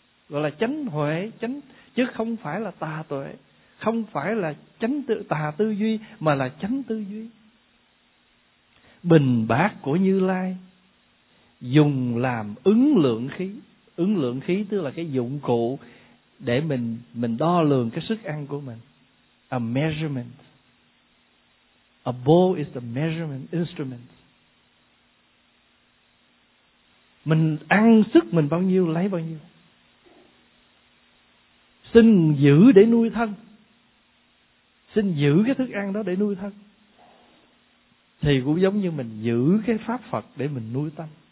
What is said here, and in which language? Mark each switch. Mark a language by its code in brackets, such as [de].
[vi] gọi là chánh huệ, chánh chứ không phải là tà tuệ, không phải là chánh tư, tà tư duy, mà là chánh tư duy. Bình bát của Như Lai dùng làm ứng lượng khí. Ứng lượng khí tức là cái dụng cụ để mình đo lường cái sức ăn của mình. [en] A measurement. A bowl is the measurement instrument. [vi] Mình ăn sức mình bao nhiêu, lấy bao nhiêu. Xin giữ để nuôi thân. Xin giữ cái thức ăn đó để nuôi thân. Thì cũng giống như mình giữ cái pháp Phật để mình nuôi tâm.